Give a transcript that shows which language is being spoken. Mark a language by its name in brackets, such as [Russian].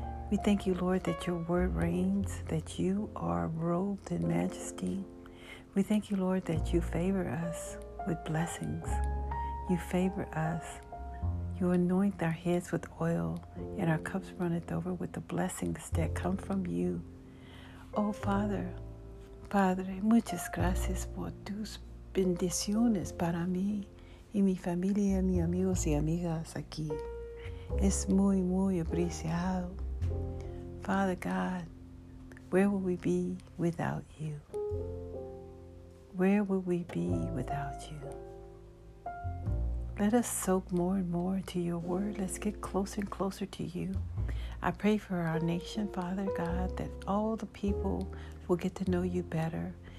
[English] We thank you, Lord, that your word reigns, that you are robed in majesty. We thank you, Lord, that you favor us with blessings. You favor us. You anoint our heads with oil and our cups runneth over with the blessings that come from you. Oh, Father, [Spanish] Padre, muchas gracias por tus bendiciones para mí y mi familia, mis amigos y amigas aquí. Es muy, muy apreciado. [English] Father God, where will we be without you? Where will we be without you? Let us soak more and more into your word. Let's get closer and closer to you. I pray for our nation, Father God, that all the people will get to know you better.